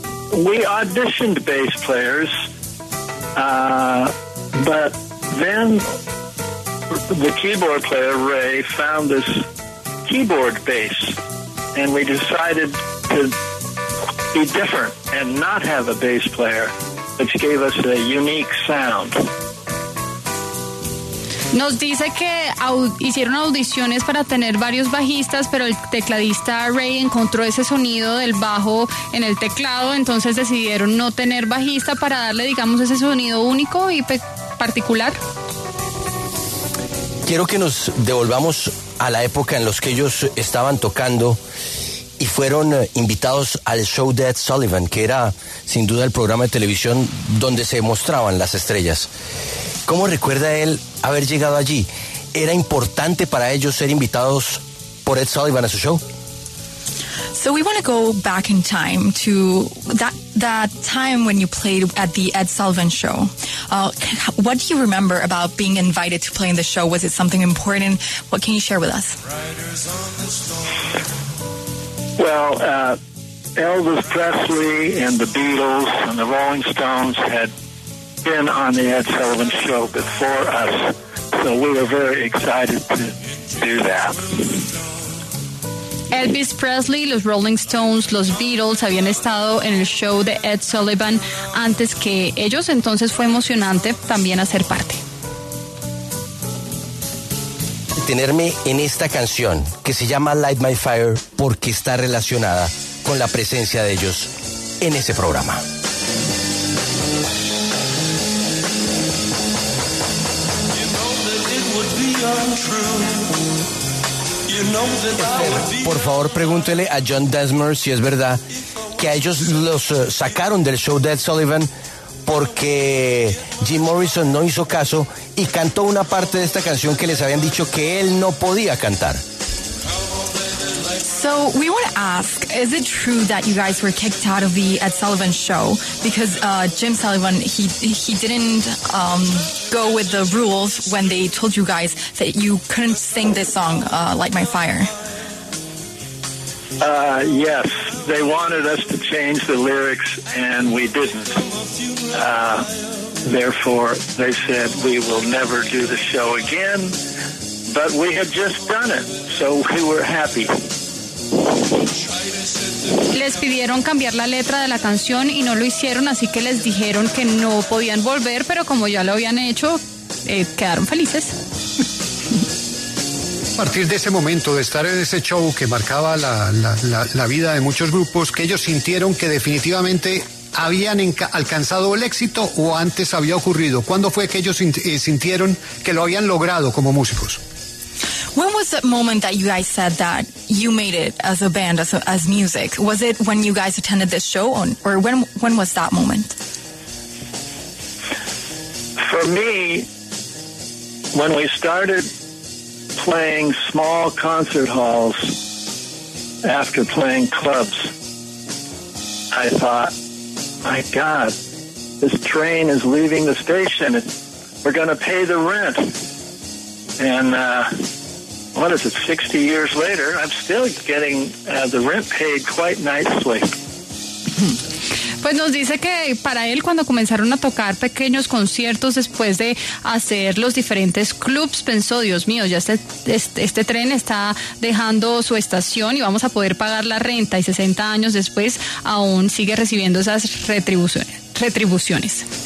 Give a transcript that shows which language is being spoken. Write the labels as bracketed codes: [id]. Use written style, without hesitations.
[en] We auditioned bass players, but then the keyboard player, Ray, found this keyboard bass, and we decided to be different and not have a bass player, which gave us a unique sound. [es] Nos dice que hicieron audiciones para tener varios bajistas, pero el tecladista Ray encontró ese sonido del bajo en el teclado, entonces decidieron no tener bajista para darle, digamos, ese sonido único y particular. Quiero que nos devolvamos a la época en los que ellos estaban tocando y fueron invitados al show de Ed Sullivan, que era sin duda el programa de televisión donde se mostraban las estrellas. ¿Cómo recuerda él haber llegado allí? ¿Era importante para ellos ser invitados por Ed Sullivan a su show? [en] So we want to go back in time to that time when you played at the Ed Sullivan show. What do you remember about being invited to play in the show? Was it something important? What can you share with us? Well, Elvis Presley and the Beatles and the Rolling Stones had been on the Ed Sullivan show before us, so we were very excited to do that. [es] Elvis Presley, los Rolling Stones, los Beatles habían estado en el show de Ed Sullivan antes que ellos, entonces fue emocionante también hacer parte. Tenerme en esta canción que se llama Light My Fire porque está relacionada con la presencia de ellos en ese programa. Esther, por favor, pregúntele a John Densmore si es verdad que a ellos los sacaron del show de Ed Sullivan porque Jim Morrison no hizo caso y cantó una parte de esta canción que les habían dicho que él no podía cantar. [en] So we want to ask, Is it true that you guys were kicked out of the Ed Sullivan show because Jim Sullivan, he didn't go with the rules when they told you guys that you couldn't sing this song, Light My Fire? Yes, they wanted us to change the lyrics, and we didn't. Therefore, they said, we will never do the show again, but we had just done it, so we were happy. [es] Les pidieron cambiar la letra de la canción y no lo hicieron, así que les dijeron que no podían volver, pero como ya lo habían hecho, quedaron felices. A partir de ese momento, de estar en ese show que marcaba la vida de muchos grupos, que ellos sintieron que definitivamente habían alcanzado el éxito o antes había ocurrido. ¿Cuándo fue que ellos sintieron que lo habían logrado como músicos? [en] When was that moment that you guys said that you made it as a band, as music? Was it when you guys attended this show, or when was that moment? For me, when we started playing small concert halls after playing clubs, I thought, my God, this train is leaving the station. We're going to pay the rent. And what is it, 60 years later, I'm still getting the rent paid quite nicely. [es] Pues nos dice que para él, cuando comenzaron a tocar pequeños conciertos después de hacer los diferentes clubs, pensó, Dios mío, ya este tren está dejando su estación y vamos a poder pagar la renta. Y 60 años después aún sigue recibiendo esas retribuciones.